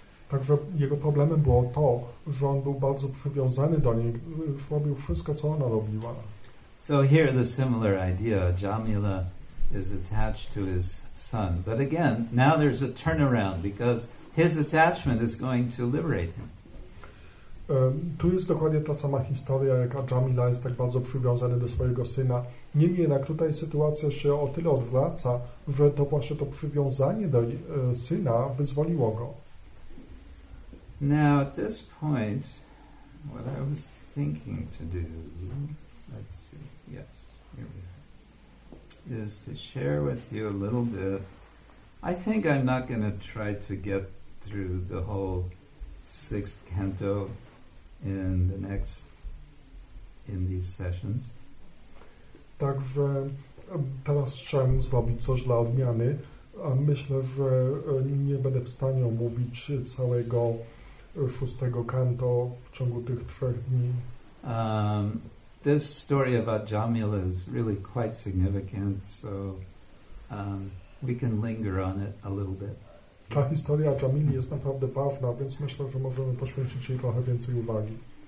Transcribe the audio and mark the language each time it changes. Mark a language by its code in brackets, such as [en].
[pl] Także jego problemem było to, że on był bardzo przywiązany do niej, robił wszystko, co ona robiła. [en] So here the similar idea. Jamila is attached to his son. But again, now there's a turnaround because his attachment is going to liberate him. [pl] Tu jest dokładnie ta sama historia, jak Jamila jest tak bardzo przywiązany do swojego syna. Niemniej jednak tutaj sytuacja się o tyle odwraca, że to właśnie to przywiązanie do syna wyzwoliło go. [en] Now at this point, what I was thinking to do... Let's see. Yes, here we are. Is to share with you a little bit. I think I'm not going to try to get through the whole sixth canto in these sessions. [pl] Także teraz chciałem zrobić coś dla odmiany. Myślę, że nie będę w stanie omówić całego szóstego canto w ciągu tych trzech dni. [en] This story about Jamila is really quite significant, so we can linger on it a little bit. [pl] Ta historia Jamili jest naprawdę ważna, więc myślę, że możemy poświęcić jej trochę więcej uwagi.